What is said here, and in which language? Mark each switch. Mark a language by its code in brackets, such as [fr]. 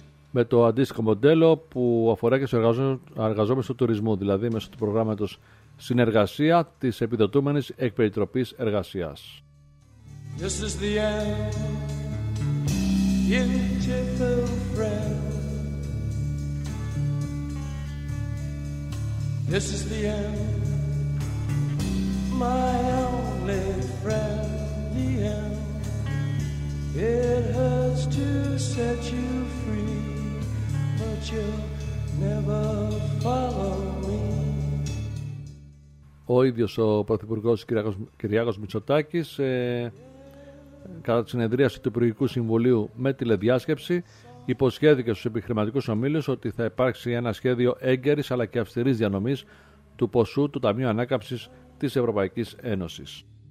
[el] Με το αντίστοιχο μοντέλο που αφορά και στους εργαζόμενους του τουρισμού, δηλαδή μέσω του προγράμματος Συνεργασία της Επιδοτούμενης Εκπεριτροπής Εργασίας. [en] This is the end, beautiful friend. This is the end, my only friend, the end. It hurts to set you free, but you'll never follow me. [el] Ο ίδιος ο Πρωθυπουργός Κυριάκος Μητσοτάκης κατά τη συνεδρίαση του Υπουργικού Συμβουλίου με τηλεδιάσκεψη υποσχέθηκε στους επιχειρηματικούς ομίλους ότι θα υπάρξει ένα σχέδιο έγκαιρης αλλά και αυστηρής διανομής του ποσού του Ταμείου Ανάκαμψης της Ευρωπαϊκής Ένωσης.